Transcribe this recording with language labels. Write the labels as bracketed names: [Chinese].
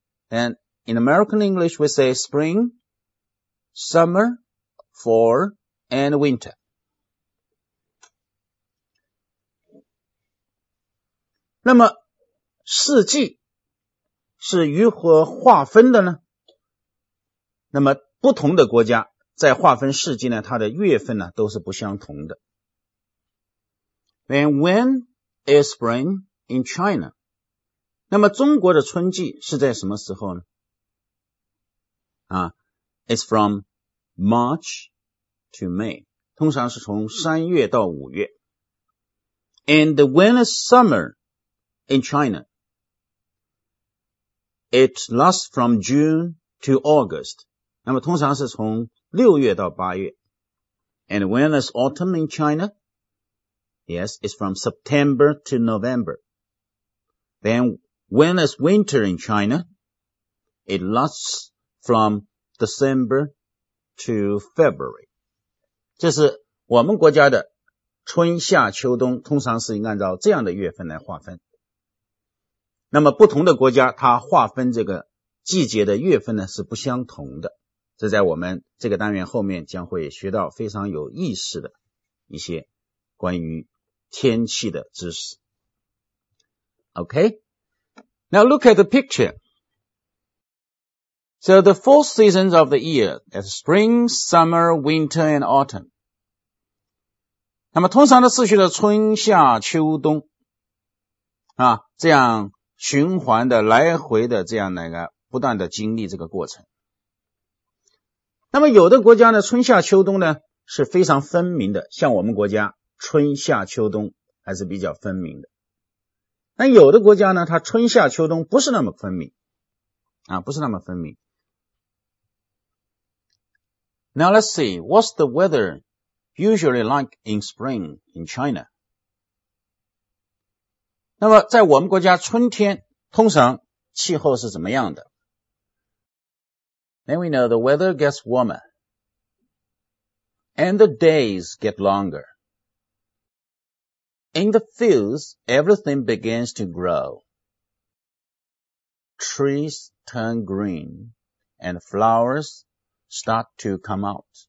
[English] And in American English, we say spring, summer, fall, and winter. [Chinese] 那么四季是如何划分的呢那么不同的国家在划分四季呢它的月份呢都是不相同的 [English] Then when is spring in China [Chinese] 那么中国的春季是在什么时候呢 [English] It's from March to May [Chinese] 通常是从三月到五月 [English] And when is summerIn China, it lasts from June to August. [Chinese] 那么通常是从六月到八月。 [English] And when is autumn in China? Yes, it's from September to November. Then when is winter in China? It lasts from December to February. [Chinese] 这是我们国家的春夏秋冬通常是按照这样的月份来划分。那么不同的国家它划分这个季节的月份呢是不相同的这在我们这个单元后面将会学到非常有意思的一些关于天气的知识 [English] OK Now look at the picture So the four seasons of the year as spring, summer, winter and autumn [Chinese] 那么通常的次序的春夏秋冬这样循环的来回的这样的一个不断的经历这个过程。那么有的国家呢，春夏秋冬呢是非常分明的，像我们国家春夏秋冬还是比较分明的。那有的国家呢，它春夏秋冬不是那么分明啊，不是那么分明。 [English] Now let's see, what's the weather usually like in spring in China? [Chinese] 那么在我们国家春天通常气候是怎么样的？ [English] Then we know the weather gets warmer and the days get longer. In the fields, everything begins to grow. Trees turn green and flowers start to come out.